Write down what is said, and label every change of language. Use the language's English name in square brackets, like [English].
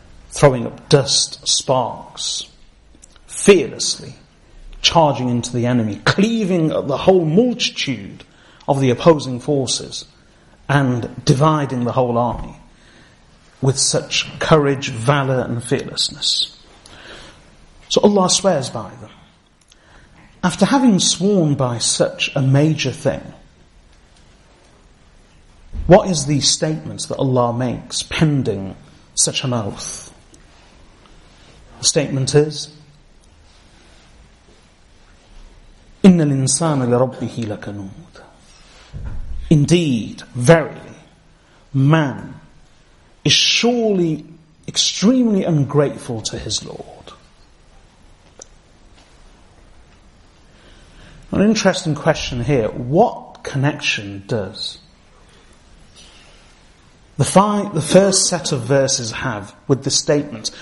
[English] throwing up dust, sparks, fearlessly charging into the enemy, cleaving the whole multitude of the opposing forces and dividing the whole army with such courage, valor and fearlessness. So Allah swears by them. After having sworn by such a major thing, what is the statement that Allah makes pending such an oath? The statement is, [Arabic] إِنَّ الْإِنسَانَ لِرَبِّهِ لَكَنُودٌ. [English] Indeed, verily, man is surely extremely ungrateful to his Lord. An interesting question here. What connection does the first set of verses have with the statement?